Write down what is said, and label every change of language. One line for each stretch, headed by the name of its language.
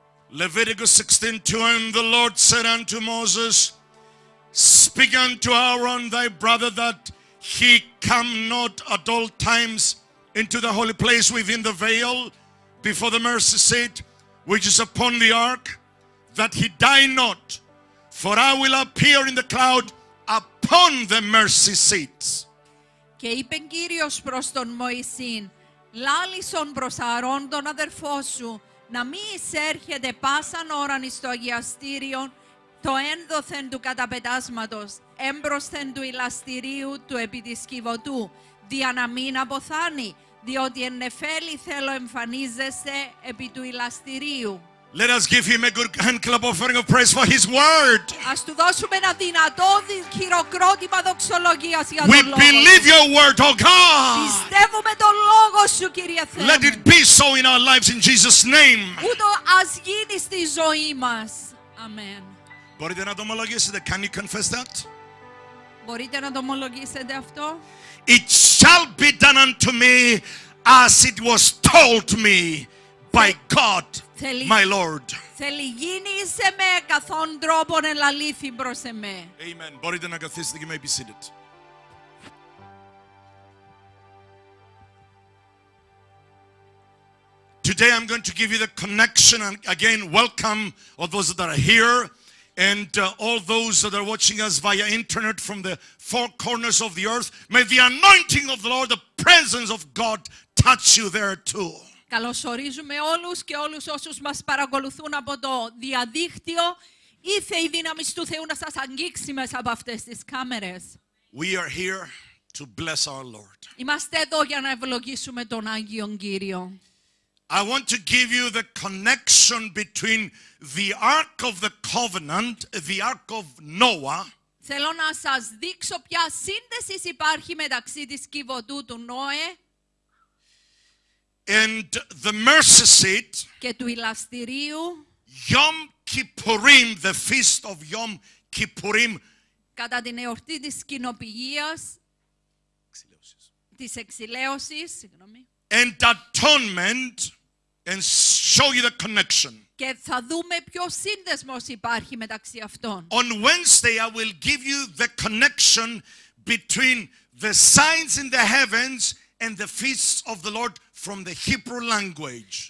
English: Leviticus 16:2, and the Lord said unto Moses, speak unto Aaron thy brother that he come not at all times into the holy place within the veil before the mercy seat which is upon the ark, that he die not, for I will appear in the cloud upon the mercy seat.
Greek: Και είπε Κύριος προς τον Μωυσήν, λάλησον προς Αρών τον αδερφό σου, να μη εισέρχεται πάσαν ώραν εις το αγιαστήριον, το ένδοθεν του καταπετάσματος, έμπροσθεν του ηλαστηρίου του επί της κυβωτού, δια να μην αποθάνει, διότι εν νεφέλη θέλω εμφανίζεσαι επί του ηλαστηρίου.
English: Let us give him a good hand clap offering of praise for his word.
Greek: Ας του δώσουμε ένα δυνατό χειροκρότημα δοξολογίας για τον λόγο.
English: We believe your word, oh God.
Greek: Πιστεύουμε τον λόγο σου, Κύριε Θεέ.
English: Let it be so in our lives in Jesus' name.
Greek: Ούτω ας γίνει στη ζωή μας. Αμέν. Μπορείτε να το ομολογήσετε.
English: Can you confess that?
Greek: Μπορείτε να το ομολογήσετε αυτό.
English: It shall be done unto me as it was told me by God. My Lord.
Greek: Θέλει γίνει σε με καθόν τρόπον ελαλήθη προς εμέ.
English: Amen.
Greek: Μπορείτε να καθίσετε και
English: may be seated. Today I'm going to give you the connection and again welcome all those that are here and all those that are watching us via internet from the four corners of the earth. May the anointing of the Lord, the presence of God touch you there too.
Greek: Καλωσορίζουμε όλους και όλους όσους μας παρακολουθούν από το διαδίκτυο. Ήθε η δύναμη του Θεού να σας αγγίξει μέσα από αυτές τις κάμερες.
English: We are here to bless our Lord.
Greek: Είμαστε εδώ για να ευλογήσουμε τον Άγιον Κύριο.
English: I want to give you the connection between the Ark of the Covenant, the Ark of Noah.
Greek: Θέλω να σας δείξω ποια σύνδεση υπάρχει μεταξύ της κυβωτού του Νόε.
English: And the mercy seat,
Greek: και του ηλαστηρίου,
English: Yom Kippurim, the feast of Yom Kippurim,
Greek: κατά την εορτή της κοινοποιίας, της εξηλαίωσης, συγγνώμη,
English: and atonement, and show you the connection.
Greek: Και θα δούμε ποιο σύνδεσμος υπάρχει μεταξύ αυτών.
English: On Wednesday I will give you the connection between the signs in the heavens and the feasts of the Lord from the Hebrew language.